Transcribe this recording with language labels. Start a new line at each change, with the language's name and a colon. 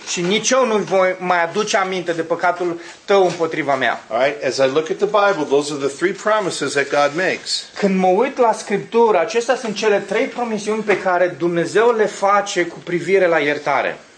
Romanian: Și nici eu nu voi mai aduce aminte de păcatul tău împotriva mea.
English: All right, as I look at the Bible, those are the three promises that God makes.
Romanian: Când mă uit la Scriptură, acestea sunt cele trei promisiuni pe care Dumnezeu le face cu privire la iertare.